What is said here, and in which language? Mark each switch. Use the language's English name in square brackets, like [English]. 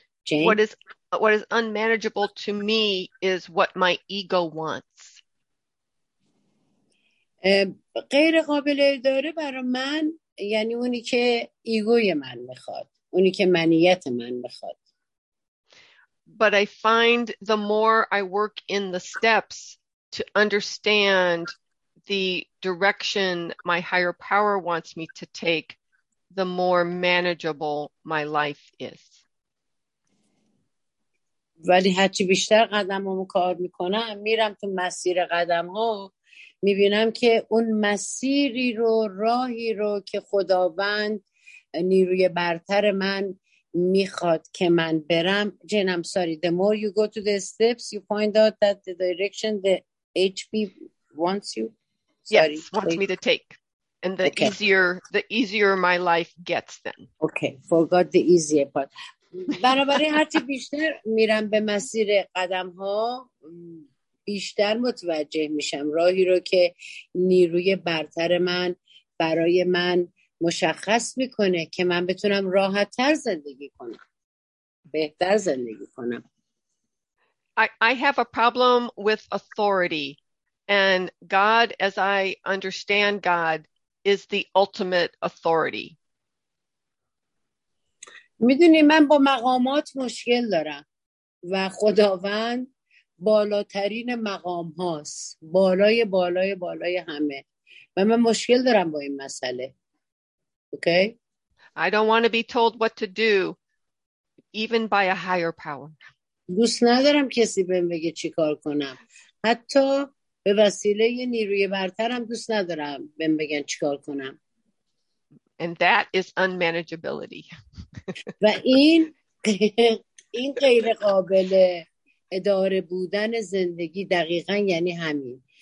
[English] What is unmanageable to me is what my ego wants. [Persian] غیر قابل اداره برای من یعنی اونی که ایگوی من میخواد، اونی که منیت من میخواد. [English] But I find the more I work in the steps to understand the direction my higher power wants me to take, the more manageable my life is. [Persian] ولی هرچی بیشتر قدم همو کار میکنم میرم تو مسیر قدم ها میبینم که اون مسیری رو راهی رو که خداوند نیروی برتر من میخواد که من برم جنم ساری [English] the more you go to the steps you find out that the direction the HP wants you sorry, yes wants me to take and the okay. easier my life gets then. Okay, forgot the easier part. [Persian] بنابراین هرچی بیشتر میرم به مسیر قدم ها بیشتر متوجه میشم راهی رو که نیروی برتر من برای من مشخص میکنه که من بتونم راحت تر زندگی کنم بهتر زندگی کنم. [English] I have a problem with authority and God as I understand God is the ultimate authority. [Persian] میدونی من با مقامات مشکل دارم و خداوند بالاترین مقام هاست بالای بالای بالای همه و من مشکل دارم با این مسئله. [English] Okay? I don't want to be told what to do even by a higher power. [Persian] دوست ندارم کسی بهم بگه چی کار کنم حتی به وسیله نیروی برترم دوست ندارم بهم بگن چی کار کنم. [English] And that is unmanageability. [Persian] و این این غیر قابل اداره بودن زندگی دقیقاً یعنی همین.